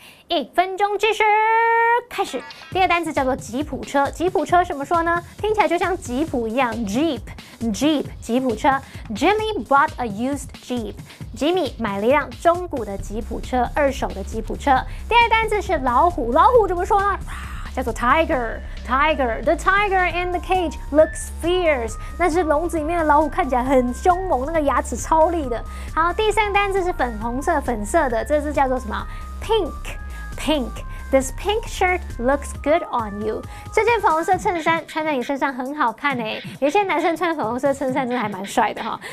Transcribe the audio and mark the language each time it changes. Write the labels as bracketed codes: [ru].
[zh] 一分钟计时开始。第一个单词叫做吉普车，吉普车怎么说呢？听起来就像吉普一样 ，Jeep, Jeep, 吉普车。 [en] Jimmy bought a used Jeep. [zh] Jimmy 买了一辆中古的吉普车，二手的吉普车。第二个单词是老虎，老虎怎么说呢？叫做 [en] Tiger, the tiger in the cage looks fierce. [zh] 那只笼子里面的老虎看起来很凶猛，那个牙齿超利的。好，第三单字是粉红色，粉色的，这字叫做什么？ [en] Pink. This pink shirt looks good on you. [zh] 这件粉红色衬衫穿在你身上很好看诶，有些男生穿粉红色衬衫真的还蛮帅的哈。